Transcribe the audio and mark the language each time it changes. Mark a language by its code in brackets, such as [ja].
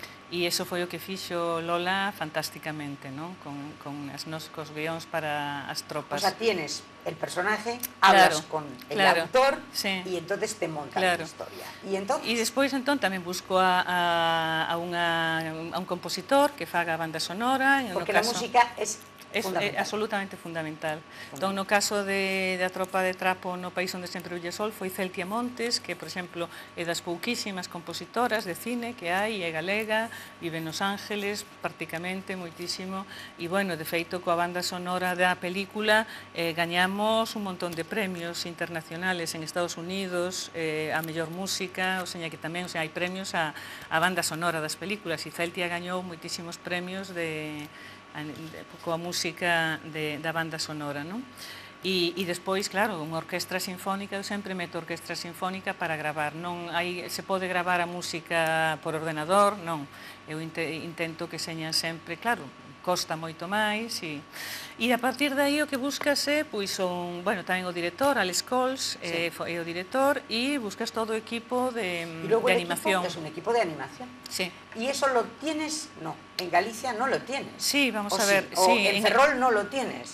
[gl] E iso foi o que fixo Lola fantásticamente, non? Con os guións para as tropas. [es] O sea, tienes el personaje, hablas, claro, con el, claro, autor, sí, y entonces te montan, claro, la historia. ¿Y entonces? Y después entonces también busco a un compositor que faga banda sonora. Porque la música es Es fundamental. Absolutamente fundamental. [gl] Entonces, no caso de Atropa de Trapo no país onde se entreulle o sol, foi Celtia Montes, que, por exemplo, é das pouquísimas compositoras de cine que hai, é galega, vive en Los Ángeles prácticamente, moitísimo, e, bueno, de feito, coa banda sonora da película, gañamos un montón de premios internacionales en Estados Unidos, a mellor música, ou seña que tamén, ou seña, hai premios a banda sonora das películas, e Celtia gañou moitísimos premios de... coa música da banda sonora, non? E despois, claro, unha orquestra sinfónica, eu sempre meto orquestra sinfónica para gravar, non hai, se pode gravar a música por ordenador, non, eu intento que señan sempre, claro, costa moito máis, e a partir de aí o que buscas é, pois, bueno, tamén o director, Alex Coles, sí. É o director, e buscas todo o equipo de animación. E logo é un equipo de animación. Sí. [es] Y eso lo tienes, no, en Galicia no lo tienes. Sí, vamos o a ver. Sí, o en Ferrol no lo tienes.